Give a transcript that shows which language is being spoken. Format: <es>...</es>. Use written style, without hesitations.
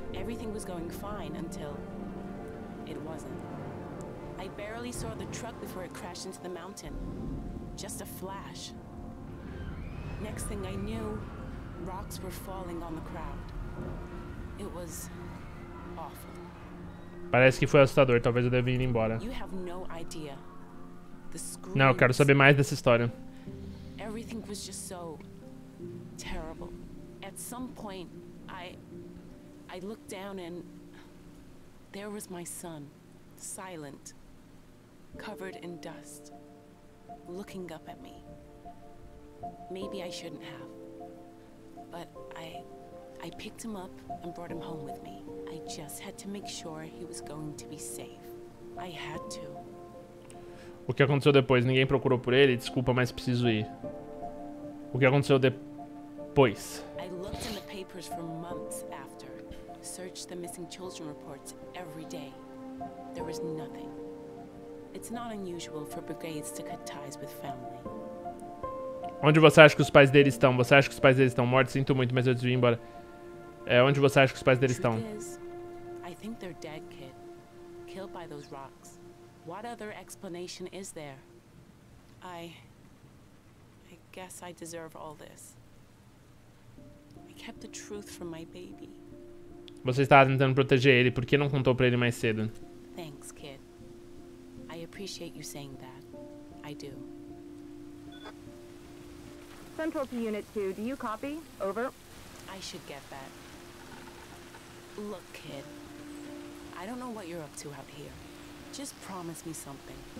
<en>Everything was going fine until it wasn't. I barely saw the truck before it crashed into the mountain. Just a flash. Next thing I knew, rocks were falling on the crowd. It was awful.</en> <pt>Parece que foi assustador, talvez eu deva ir embora.</pt> <en>You have no idea. The screams.</en> <pt>Não, eu quero saber mais dessa história.</pt> <en>Everything was just so terrible. At some point, I looked down and there was my son, silent, covered in dust, looking up at me. Maybe I shouldn't have, but I picked him up and brought him home with me. I just had to make sure he was going to be safe. I had to.</en> <pt>O que aconteceu depois? Ninguém procurou por ele? Desculpa, mas preciso ir. O que aconteceu depois?</pt> <en>I looked in the papers for months after. Searched the missing children reports every day. There was nothing. It's not unusual for brigades to cut ties with family.</en> <pt>Onde você acha que os pais dele estão? Você acha que os pais dele estão mortos? Sinto muito, mas eu desvi embora. Onde você acha que os pais dele estão?</pt> <en>I think they're dead, kid. Killed by those rocks. What other explanation is there? I guess I deserve all this. I kept the truth from my baby.</en> <pt>Você estava tentando proteger ele, por que não contou pra ele mais cedo?</pt> <en>Thanks, kid. I appreciate you saying that. I do. Central to Unit 2, do you copy? Over. I should get that. Look, kid. I don't know what you're up to out here. Just promise me something.</en>